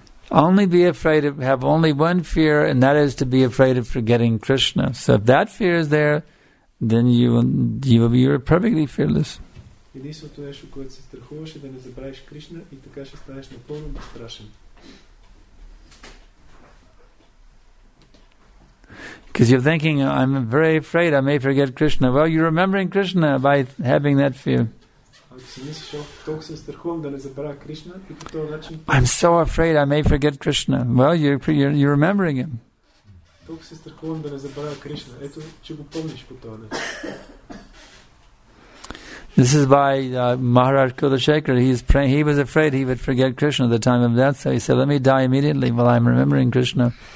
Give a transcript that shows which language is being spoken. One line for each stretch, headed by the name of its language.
English: Only be afraid of, have only one fear, and that is to be afraid of forgetting Krishna. So if that fear is there, then you will be perfectly fearless.
Bulgarian: Единството нещо, което се страхуваш, е да не забравиш Кришна и така ще станеш напълно безстрашен.
English: Because you're thinking, I'm very afraid I may forget Krishna. Well, you're remembering Krishna by having that fear.
Bulgarian: Ако си мислиш, толкова се страхувам да не забравя Кришна и по този начин...
English: I'm so afraid I may forget Krishna. Well, you're remembering him.
Bulgarian: Толкова се страхувам да не забравя Кришна. Ето, че го помниш по този начин.
English: This is why Maharaj Kulashekhar, he was afraid he would forget Krishna at the time of death, so he said, let me die immediately while I'm remembering Krishna.